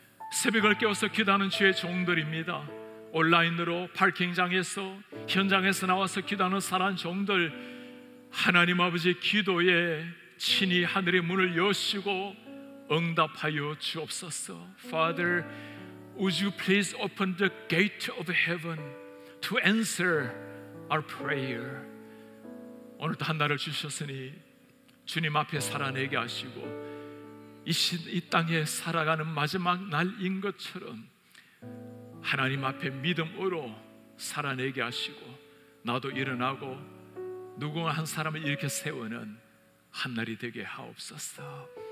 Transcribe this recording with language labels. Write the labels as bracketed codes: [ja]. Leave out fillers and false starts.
[ko] 새벽을 깨워서 기도하는 주의 종들입니다. 온라인으로 파킹장에서 현장에서 나와서 기도하는 사랑한 종들, 하나님 아버지 기도에 친히 하늘의 문을 여시고 응답하여 주옵소서. [en] Father, would you please open the gate of heaven to answer our prayer. [ko] 오늘도 한 날을 주셨으니 주님 앞에 살아내게 하시고 이 땅에 살아가는 마지막 날인 것처럼 하나님 앞에 믿음으로 살아내게 하시고 나도 일어나고 누군가 한 사람을 이렇게 세우는 한 날이 되게 하옵소서.